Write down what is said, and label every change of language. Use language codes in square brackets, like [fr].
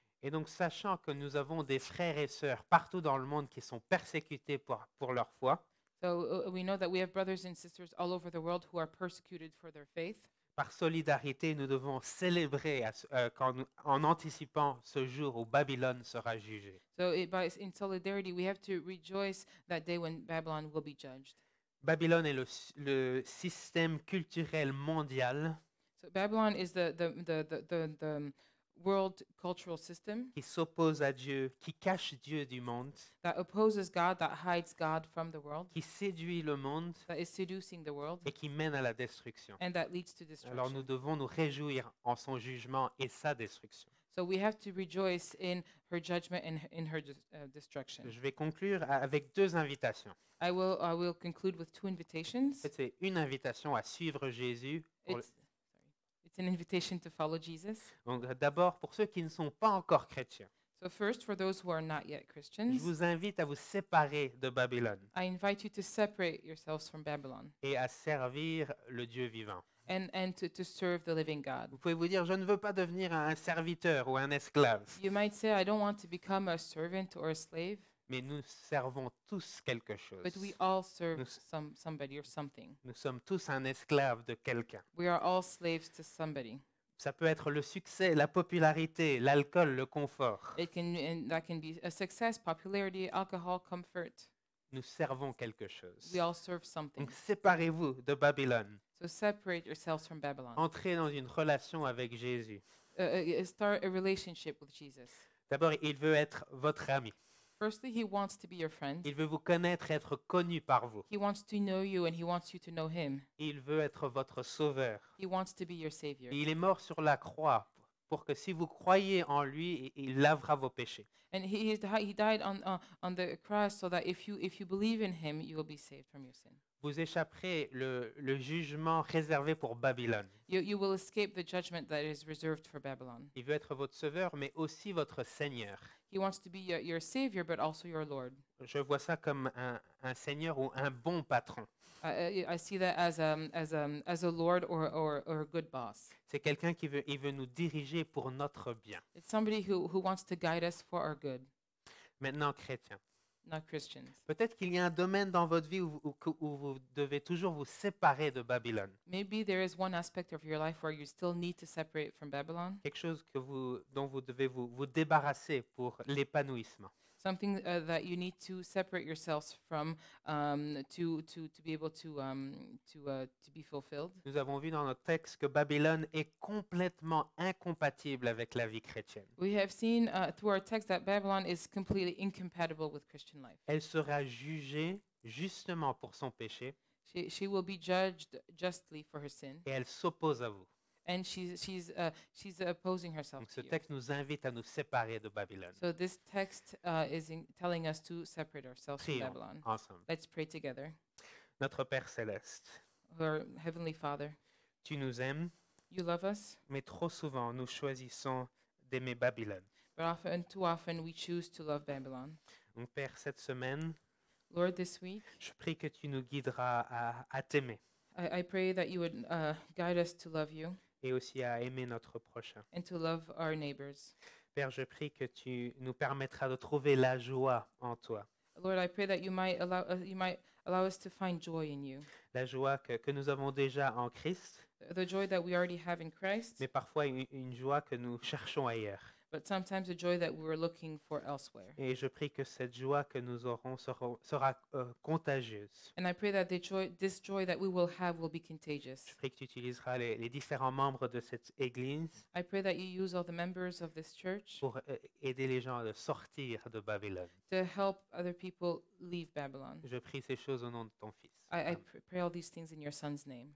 [fr] Et donc, sachant que nous avons des frères et sœurs partout dans le monde qui sont persécutés pour leur foi, [en] so we know that we have brothers and sisters all over the world who are persecuted for their faith. [fr] Par solidarité, nous devons célébrer en anticipant ce jour où Babylone sera jugée. [en] So in solidarity, we have to rejoice that day when Babylon will be judged. [fr] Babylone est le système culturel mondial. [en] So Babylon is the world cultural system. [fr] Qui s'oppose à Dieu, qui cache Dieu du monde. [en] That opposes God, that hides God from the world. [fr] Qui séduit le monde. [en] That is seducing the world. [fr] Et qui mène à la destruction. [en] And that leads to destruction. [fr] Alors nous devons nous réjouir en son jugement et sa destruction. [en] So we have to rejoice in her judgment and in her destruction. [fr] Je vais conclure avec deux invitations. [en] I will conclude with two invitations. [fr] C'est une invitation à suivre Jésus. [en] It's an invitation to follow Jesus. [fr] Donc, d'abord, pour ceux qui ne sont pas encore chrétiens, [en] so first, for those who are not yet Christians, [fr] je vous invite à vous séparer de Babylone. [en] I invite you to separate yourselves from Babylon. [fr] Et à servir le Dieu vivant. [en] And to serve the living God. [fr] Vous pouvez vous dire, je ne veux pas devenir un serviteur ou un esclave. [en] You might say, I don't want to become a servant or a slave. [fr] Mais nous servons tous quelque chose. [en] But we all serve somebody or something. [fr] Nous sommes tous un esclave de quelqu'un. [en] We are all slaves to somebody. [fr] Ça peut être le succès, la popularité, l'alcool, le confort. [en] It can, and that can be a success, popularity, alcohol, comfort. [fr] Nous servons quelque chose. [en] We all serve something. [fr] Donc, séparez-vous de Babylone. [en] So separate yourselves from Babylon. [fr] Entrez dans une relation avec Jésus. [en] Start a relationship with Jesus. [fr] D'abord, il veut être votre ami. [en] Firstly, he wants to be your friend. [fr] Il veut vous connaître, être connu par vous. [en] He wants to know you and he wants you to know him. [fr] Il veut être votre sauveur. [en] He wants to be your savior. [fr] Et il est mort sur la croix pour que si vous croyez en lui, il lavera vos péchés. [en] And he died on the cross so that if you believe in him, you will be saved from your sin. [fr] Vous échapperez le jugement réservé pour Babylone. [en] You will escape the judgment that is reserved for Babylon. [fr] Il veut être votre sauveur, mais aussi votre Seigneur. [en] He wants to be your savior, but also your Lord. [fr] Je vois ça comme un Seigneur ou un bon patron. [en] I see that as a Lord or a good boss. [fr] C'est quelqu'un qui veut, il veut nous diriger pour notre bien. [en] It's somebody who wants to guide us for our good. [fr] Maintenant, chrétien. [en] Not Christians. [fr] Peut-être qu'il y a un domaine dans votre vie où vous devez toujours vous séparer de Babylone. [en] Maybe there is one aspect of your life where you still need to separate from Babylon. [fr] Quelque chose que vous, dont vous devez vous débarrasser pour l'épanouissement. [en] Something that you need to separate yourselves from to be able to be fulfilled. [fr] Nous avons vu dans notre texte que Babylone est complètement incompatible avec la vie chrétienne. [en] We have seen through our text that Babylon is completely incompatible with Christian life. [fr] Elle sera jugée justement pour son péché. [en] She will be judged justly for her sin. [fr] Et elle s'oppose à vous. [en] And she's opposing herself to you. [fr] Ce texte nous invite à nous séparer de Babylone. [en] So this text is telling us to separate ourselves from Babylon. [fr] Ensemble. [en] Let's pray together. [fr] Notre Père céleste. [en] Our heavenly Father. [fr] Tu nous aimes. [en] You love us. [fr] Mais trop souvent nous choisissons d'aimer Babylone. [en] But often, too often, we choose to love Babylon. [fr] Mon Père, cette semaine. [en] Lord, this week. [fr] Je prie que tu nous guideras à t'aimer. [en] I pray that you would guide us to love you. [fr] Et aussi à aimer notre prochain. [en] And to love our neighbors. [fr] Père, je prie que tu nous permettras de trouver la joie en toi. [en] Lord, I pray that you might allow us to find joy in you. [fr] La joie que nous avons déjà en Christ. [en] The joy that we already have in Christ. [fr] Mais parfois une joie que nous cherchons ailleurs. [en] But sometimes a joy that we were looking for elsewhere. [fr] Et je prie que cette joie que nous aurons sera contagieuse. [en] And I pray that this joy that we will have will be contagious. [fr] Je prie que tu utiliseras les différents membres de cette église. [en] I pray that you use all the members of this church. [fr] Pour aider les gens à sortir de Babylone. [en] To help other people leave Babylon. [fr] Je prie ces choses au nom de ton fils. [en] I pray all these things in your son's name.